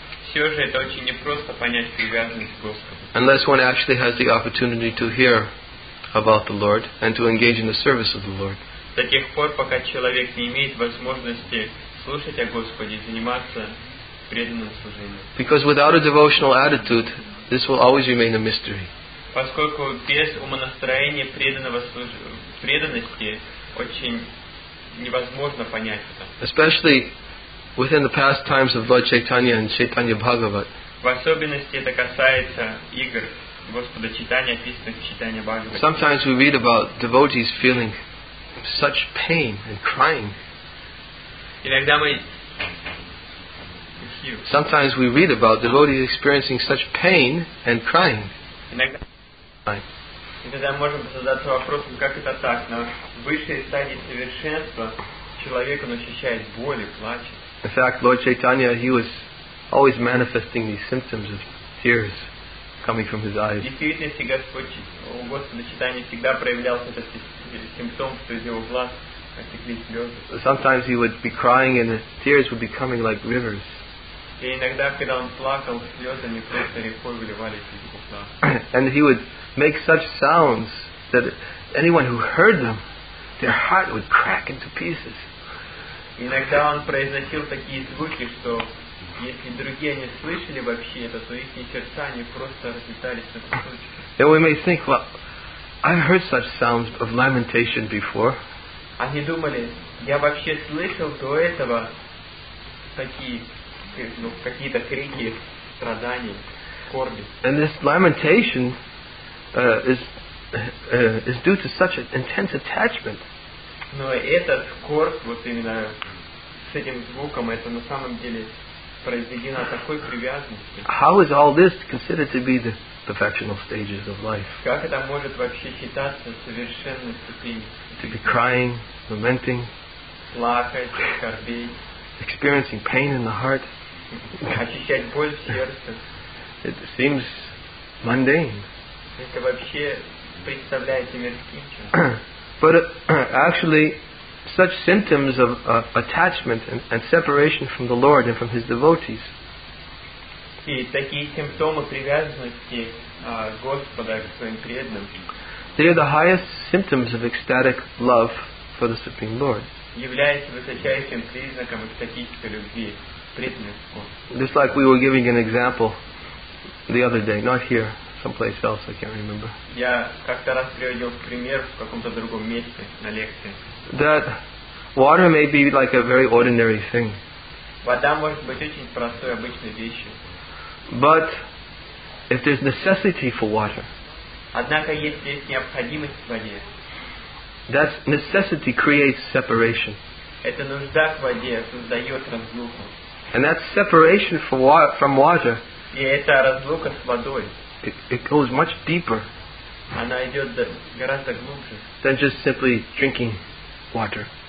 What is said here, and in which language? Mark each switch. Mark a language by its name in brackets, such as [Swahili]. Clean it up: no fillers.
[Russian] Все же это очень непросто понять привязанность к Господу. [English] Unless one actually has the opportunity to hear about the Lord and to engage in the service of the Lord. [Russian] До тех пор, пока человек не имеет возможности слушать о Господе и заниматься преданным служением. [English] Because without a devotional attitude, this will always remain a mystery. [Russian] Поскольку без умонастроения преданности очень невозможно понять это. [English] Especially within the past times of Lord Chaitanya and Chaitanya Bhagavat. [Russian] В особенности это касается игр Господа Читания, описанных в Читании Бхагавате. [English] Sometimes we read about devotees feeling such pain and crying. [Russian] Иногда мы... [English] Sometimes we read about devotees experiencing such pain and crying. [Russian] И тогда можем задаться вопросом, как это так? На высшей стадии совершенства человек, он ощущает боль и плачет. [English] In fact, Lord Chaitanya, he was always manifesting these symptoms of tears coming from his eyes. [Russian] В действительности, Господь Чайтанья всегда проявлял этот симптом, что из его глаз текли слезы. [English] Sometimes he would be crying and the tears would be coming like rivers. [Russian] И иногда, когда он плакал, слезы не просто рекой выливались из его глаз. [English] And he would make such sounds that anyone who heard them, their heart would crack into pieces. [Russian] Иногда он произносил такие звуки, что если другие не слышали вообще это, то их сердца не просто разлетались на кусочки. [English] And we may think, well, I've heard such sounds of lamentation before. [Russian] Они думали, я вообще слышал до этого такие, ну, какие-то крики, страдания, скорби. [English] And this lamentation is due to such an intense attachment. [Russian] Но этот скорбь, вот именно с этим звуком, это на самом деле произведено такой привязанности. [English] How is all this considered to be the perfectional stages of life? [Russian] Как это может вообще считаться совершенной ступенью? [English] To be crying, lamenting, [Russian] плакать, скорбить, [English] experiencing pain in the heart. [Russian] Ощущать боль в сердце. [English] It seems mundane. [Russian] Это вообще представляется мирским чем-то. [English] But actually, such symptoms of attachment and separation from the Lord and from His devotees. [Russian] И такие симптомы привязанности Господа к своим преданным. [English] They are the highest symptoms of ecstatic love for the Supreme Lord. [Russian] Являются высочайшим признаком экстатической любви преданных. [English] Just like we were giving an example the other day, not here. Someplace else, I can't remember. [Russian] Я как-то раз приводил пример в каком-то другом месте на лекции. [English] That water may be like a very ordinary thing. [Russian] Вода может быть очень простой, обычной вещью. [English] But if there's necessity for water. [Russian] Однако если есть необходимость в воде. [English] That necessity creates separation. [Russian] Эта нужда к воде создает разлуку. [English] And that separation from water. [Russian] И это разлука с водой. [English] It goes much deeper than just simply drinking water.